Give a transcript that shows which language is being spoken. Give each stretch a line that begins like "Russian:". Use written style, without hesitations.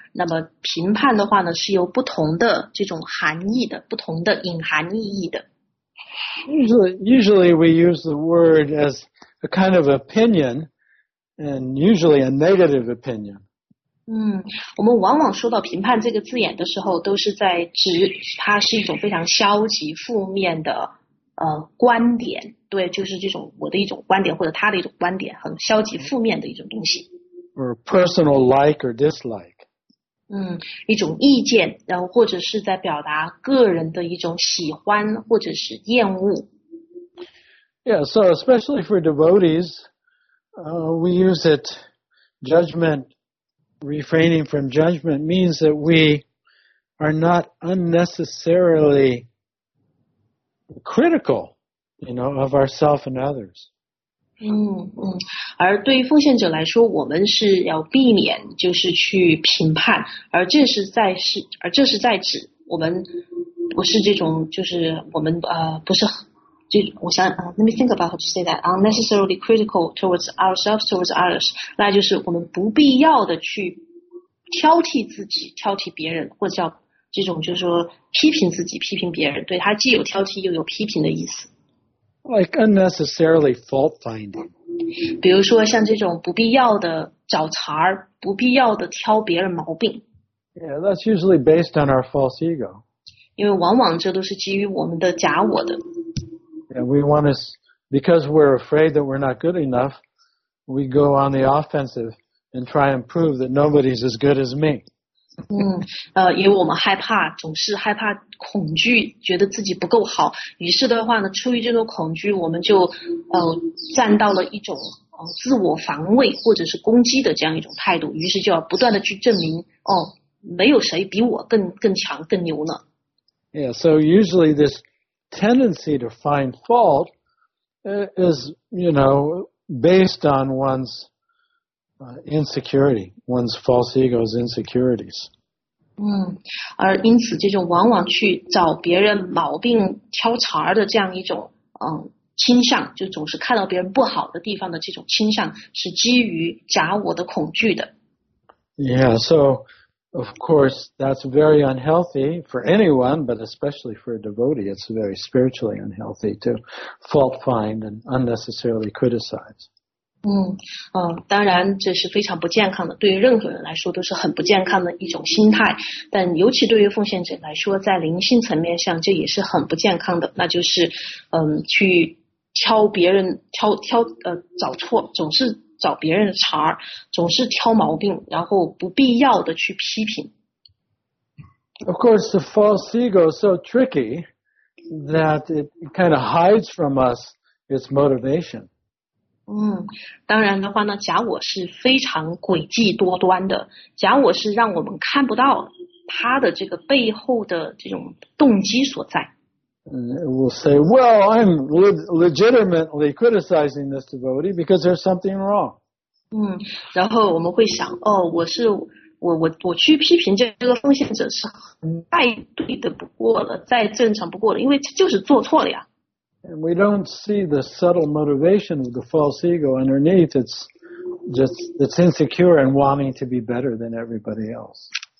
Chinese: 那么评判的话呢，是有不同的这种含义的，不同的隐含意义的。
English: Usually we use the word as a kind of opinion, and usually a negative opinion.
Chinese: 我们往往说到评判这个字眼的时候，都是在指它是一种非常消极负面的观点，对，就是这种我的一种观点或者他的一种观点，很消极负面的一种东西。
English: Or personal like or dislike.
Chinese: 一种意见，然后或者是在表达个人的一种喜欢或者是厌恶。
English: Yeah, so especially for devotees, we use it, judgment, refraining from judgment means that we are not unnecessarily... critical, you know, of ourselves and others.
Chinese: 而对于奉献者来说，我们是要避免就是去评判，而这是在指我们不是这种，就是我们不是就我想
English: let me think about how to say that unnecessarily critical towards ourselves, towards others.
Chinese: 那就是我们不必要的去挑剔自己，挑剔别人，或者叫这种就是说批评自己，批评别人，对，他既有挑剔又有批评的意思。
English: Like unnecessarily fault finding.
Chinese: 比如说像这种不必要的找茬，不必要的挑别人毛病。
English: Yeah, that's usually based on our false ego.
Chinese: 因为往往这都是基于我们的假我的。
English: And we want to, because we're afraid that we're not good enough, we go on the offensive and try and prove that nobody's as good as me.
Chinese: 因为我们害怕，总是害怕恐惧，觉得自己不够好，于是的话呢，出于这种恐惧，我们就站到了一种自我防卫或者是攻击的这样一种态度，于是就要不断的去证明哦，没有谁比我更强更牛呢。
English: Yeah, so usually this tendency to find fault is, you know, based on one'sinsecurity, one's false ego's insecurities.
Chinese: 而因此这种往往去找别人毛病挑茬的这样一种倾向，就总是看到别人不好的地方的这种倾向，是基于假我的恐惧的。
English: Yeah, so of course that's very unhealthy for anyone, but especially for a devotee, it's very spiritually unhealthy to fault find and unnecessarily criticize.
Chinese: 当然这是非常不健康的，对于任何人来说都是很不健康的一种心态，但尤其对于奉献者来说，在灵性层面上这也是很不健康的，那就是去挑别人找错，总是找别人的茬，总是挑毛病，然后不必要的去批评。
English: Of course the false ego is so tricky that it kind of hides from us its motivation.
Chinese: 当然的话呢，假我是非常诡计多端的，假我是让我们看不到他的这个背后的这种动机所在。
English: will say, well, I'm legitimately criticizing this devotee because there's something wrong.
Chinese: 然后我们会想，哦，我去批评这个奉献者是太对的不过了，再正常不过了，因为就是做错了呀。
English: And we don't see the subtle motivation of the false ego underneath. It's just, it's insecure and wanting to be better than everybody else.